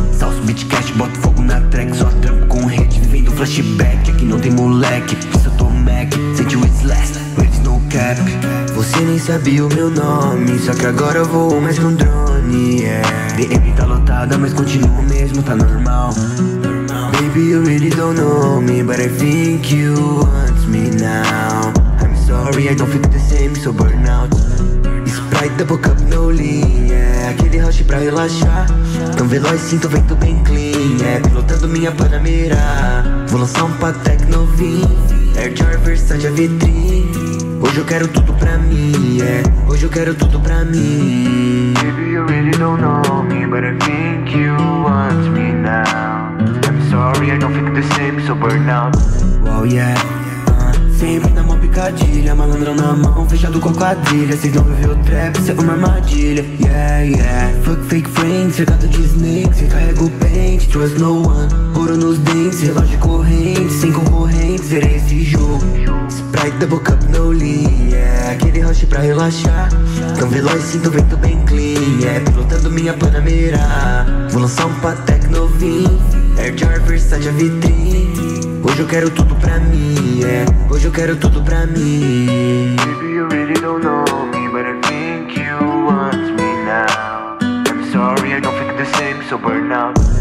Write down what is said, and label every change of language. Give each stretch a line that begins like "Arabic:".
Portuguese: Salso beat cash, boto fogo na track. Só trampo com rede, vivendo flashback. Aqui não tem moleque, isso eu tô Mac. Sente o slash, eles no cap. Você nem sabia o meu nome, só que agora eu vou mais com drone, yeah. DM tá lotada, mas continuo mesmo, tá normal.
English: Baby, you really don't know me, but I think you want me now. I'm sorry, I don't feel the same, so burn out. Sprite, double cup, no lean, yeah.
Portuguese: Aquele rush pra relaxar. Tão veloz, sinto o vento bem clean, yeah. Pilotando minha Panamera. Vou lançar um Patek novin. Air Jordan, Versace, a vitrine. Hoje eu quero tudo pra mim, yeah. Hoje eu quero tudo pra mim.
English: Baby, you really don't know me, but I think you want me now. I'm sorry, I don't think the same, so burn out. Wow, yeah.
Portuguese: Sempre na mó picadilha, malandrão na mão, fechado com a quadrilha. Cês não viveu trap, cê é uma armadilha, yeah, yeah.
English: Fuck fake friends,
Portuguese: cercado de
English: snakes,
Portuguese: recarrega o pente,
English: trust no one.
Portuguese: Ouro nos dentes, relógio corrente, sem concorrente, zerei esse jogo.
English: Sprite, double cup, no lean, yeah.
Portuguese: Aquele rush pra relaxar. Tão veloz, sinto o vento bem clean, yeah. Pilotando minha Panamera. Vou lançar um Patek novin. Air Jordan, Versace, a vitrine. Hoje eu quero tudo pra mim, yeah. Hoje eu quero tudo pra mim.
English: Baby, you really don't know me, but I think you want me now. I'm sorry, I don't think the same, so burn out.